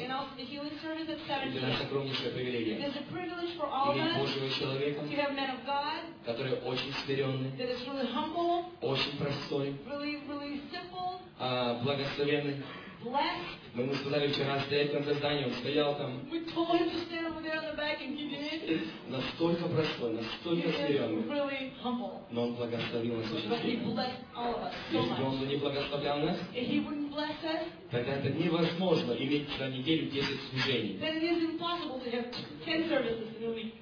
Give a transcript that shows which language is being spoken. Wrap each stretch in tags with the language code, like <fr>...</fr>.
<en>And also the healing service at 7</en> <ru>p.m. Это наше огромнейшее привилегие.</ru> <en>It is a privilege for all of us.</en> <ru>Иметь Божьего человека.</ru> <en>To have men of God.</en> <ru>Которые очень смиренны.</ru> <en>That is really humble.</en> <ru>Очень простой.</ru> <en>Really, really simple.</en> <ru>Благословенный.</ru> <en>Blessed.</en> <ru>Мы ему сказали вчера стоять там за зданием, стоял там.</ru> <en>We told him to stand over there on the back and he did.</en> <ru>Настолько простой, настолько смиренный.</ru> <en>He is really humble.</en> <ru>Но он благословил нас очень сильно.</ru> <en>But he blessed all of us so much.</en> <ru>Если бы он бы не благословлял нас,</ru> <en>he wouldn't bless us.</en> <ru>Тогда это невозможно иметь за неделю 10 служений.</ru> <en>Then it is impossible to have 10 services in a week.</en>